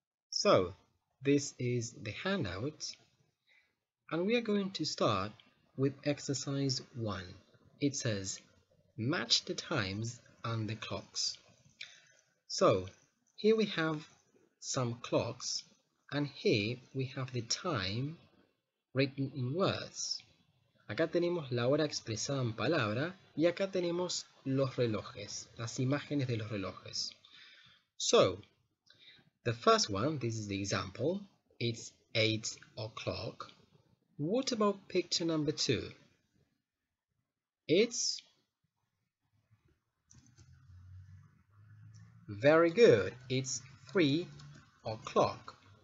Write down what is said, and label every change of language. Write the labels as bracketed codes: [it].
[en] So, this is the handout, and we are going to start with exercise 1. It says, match the times and the clocks. So, here we have some clocks, and here we have the time written in words. [es] Acá tenemos la hora expresada en palabra, y acá tenemos los relojes, las imágenes de los relojes. [en] So, the first one, this is the example, it's 8 o'clock. What about picture number 2? It's... Very good, it's 3 o'clock.